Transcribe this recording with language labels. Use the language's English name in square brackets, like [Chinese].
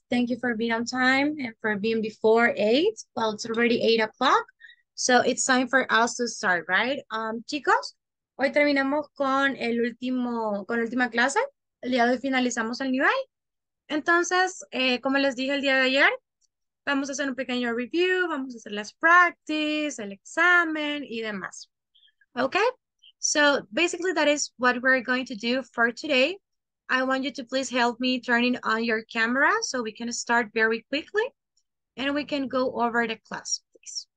[English] Thank you for being on time and for being before 8. Well, it's already 8 o'clock, so it's time for us to start, right? [Spanish] Chicos, hoy terminamos con con la última clase. El día de hoy finalizamos el nivel. Entonces, como les dije el día de ayer, vamos a hacer un pequeño review, vamos a hacer las practice, el examen y demás. [English] Okay? So basically, that is what we're going to do for today. I want you to please help me turning on your camera so we can start very quickly and we can go over the class, please.